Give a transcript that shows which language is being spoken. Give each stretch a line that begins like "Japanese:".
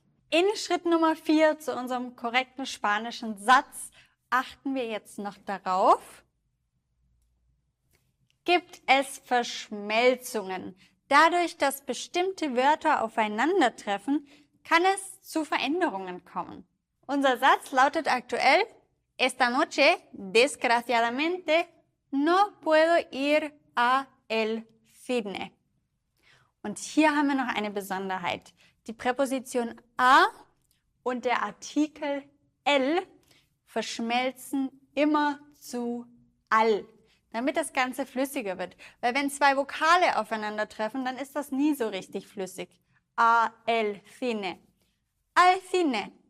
German: In Schritt Nummer 4 zu unserem korrekten spanischen Satz achten wir jetzt noch darauf. Gibt es Verschmelzungen? Dadurch, dass bestimmte Wörter aufeinandertreffen, kann es zu Veränderungen kommen. Unser Satz lautet aktuell:
Spanish: Esta noche, desgraciadamente, no puedo ir a el cine.
German: Und hier haben wir noch eine Besonderheit. Die Präposition a und der Artikel el verschmelzen immer zu al, damit das Ganze flüssiger wird. Weil wenn zwei Vokale aufeinandertreffen, dann ist das nie so richtig flüssig.
Spanish: A el cine. Al cine.